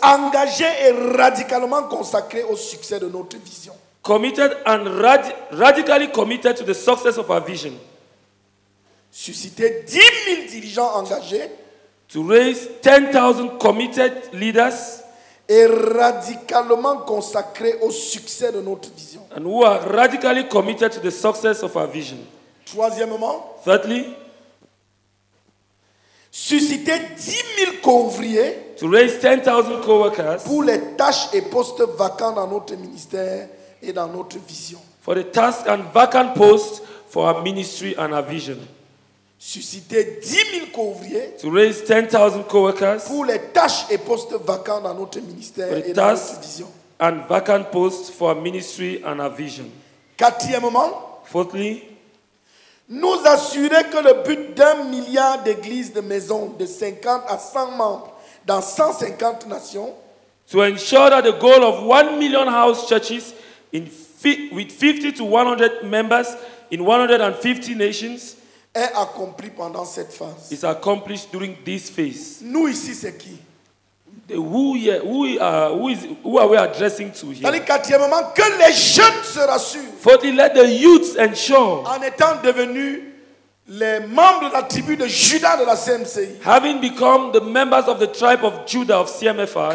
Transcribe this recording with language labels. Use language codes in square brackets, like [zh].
[fr] engagés et radicalement consacrés au succès de notre vision, [en] committed and radically committed to the success of our vision. [fr] Susciter 10 000 dirigeants engagés, [en] to raise 10,000 committed leaders, [fr] et radicalement consacrés au succès de notre vision, [en] and who are radically committed to the success of our vision. [fr] Troisièmement, [en] thirdly, [fr] susciter 10 000 co-ouvriers, [en] to raise 10,000 co-workers, [fr] pour les tâches et postes vacants dans notre ministère et dans notre vision. [en] For the tasks and vacant posts for our ministry and our vision. [fr] Susciter 10 000 co-ouvriers, [en] to raise 10,000 co-workers, [fr] pour les tâches et postes vacants dans notre ministère et dans notre vision. [en] And vacant posts for our ministry and our vision. [fr] Quatrièmement, [en] fourthly, [fr] nous assurer que le but d'un milliard d'églises de maisons de 50 à 100 membres dans 150 nations, [en] to ensure that the goal of 1 million house churches in with 50 to 100 members in 150 nations [fr] est accompli pendant cette phase, [en] is accomplished during this phase. [fr] Nous ici c'est qui? [en] Who are we addressing to here? [fr] Dans quatrièmement, que les jeunes se rassurent. [en] Fourthly, let the youths ensure. [fr] En étant devenus les membres de la tribu de Judas de la CMCI. [en] Having become the members of the tribe of Judah of CMFI.